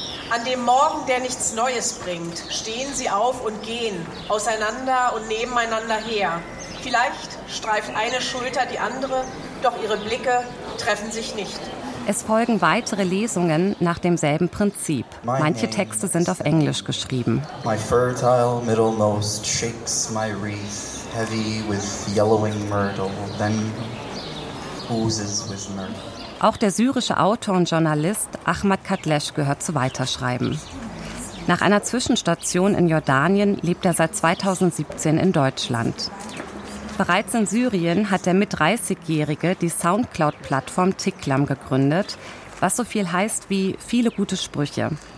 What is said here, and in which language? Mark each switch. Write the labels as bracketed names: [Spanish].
[German] An dem Morgen, der nichts Neues bringt, stehen sie auf und gehen auseinander und nebeneinander her. Vielleicht streift eine Schulter die andere, doch ihre Blicke treffen sich nicht. Es folgen weitere Lesungen nach demselben Prinzip. Manche Texte sind auf Englisch geschrieben. [English] My fertile middlemost shakes my wreath, heavy with yellowing myrtle, then oozes with myrtle. [German] Auch der syrische Autor und Journalist Ahmad Katlesh gehört zu Weiterschreiben. Nach einer Zwischenstation in Jordanien lebt er seit 2017 in Deutschland. Bereits in Syrien hat der Mit-30-Jährige die Soundcloud-Plattform Tiklam gegründet, was so viel heißt wie viele gute Sprüche.